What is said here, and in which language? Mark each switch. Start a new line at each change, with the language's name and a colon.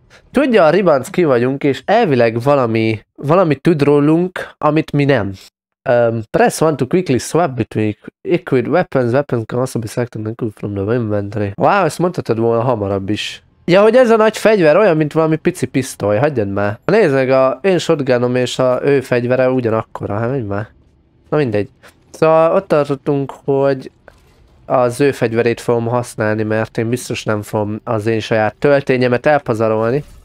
Hungarian: Tudja a ribanc, ki vagyunk, és elvileg valami tud rólunk, amit mi nem.
English: Press one to quickly swap between equipped weapons can also be selected and from the inventory.
Hungarian: Wow, ezt mondhatod volna hamarabb is. Ja, hogy ez a nagy fegyver olyan, mint valami pici pisztoly, hagyjad már. Nézd meg, a én shotgunom és a ő fegyvere ugyanakkora, hát menj már. Na mindegy. Szóval ott tartottunk, hogy az ő fegyverét fogom használni, mert én biztos nem fogom az én saját töltényemet elpazarolni.